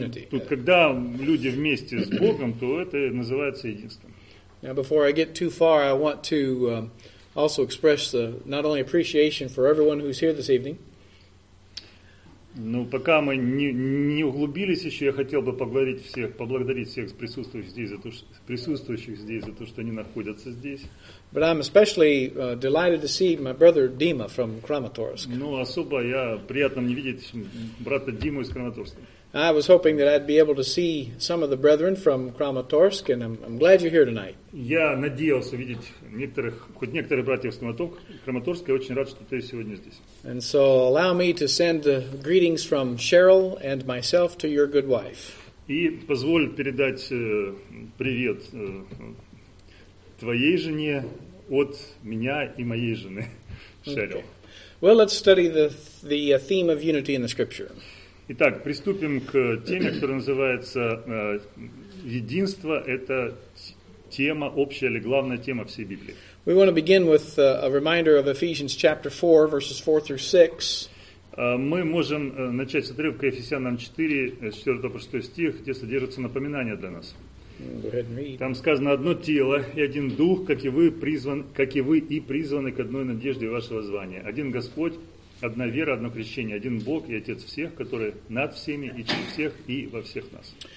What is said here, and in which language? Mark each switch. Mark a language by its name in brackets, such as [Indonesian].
[Russian] Когда люди вместе с Богом, то это называется единством. [English] Now, before I get too far, I want to also express not only appreciation for everyone who's here this evening. [Russian] Ну, пока мы не углубились еще, я хотел бы поблагодарить всех присутствующих здесь за то, что они находятся здесь. [English] But I'm especially delighted to see my brother Dima from Kramatorsk. [Russian] Ну, особо я приятно мне видеть брата Диму из Краматорска. [English] I was hoping that I'd be able to see some of the brethren from Kramatorsk, and I'm glad you're here tonight. [Russian] Я надеялся видеть хоть некоторых братьев из Краматорска, и очень рад, что ты сегодня здесь. [English] And so allow me to send greetings from Cheryl and myself to your good wife. [Russian] И позволь передать привет твоей жене от меня и моей жены, Cheryl. [English] Okay. Well, let's study the theme of unity in the Scripture. [Russian] Итак, приступим к теме, которая называется «Единство» — это тема общая или главная тема всей Библии. [English] We want to begin with a reminder of Ephesians chapter 4, verses 4 through 6. [Russian] Мы можем начать с отрывка Ефесянам 4, 4 по 6 стих, где содержится напоминание для нас. [English] Go ahead and read. [Russian] Там сказано «Одно тело и один дух, как и вы призваны к одной надежде вашего звания. Один Господь, одна вера, одно крещение, один Бог и Отец всех, который над всеми и через всех и во всех нас».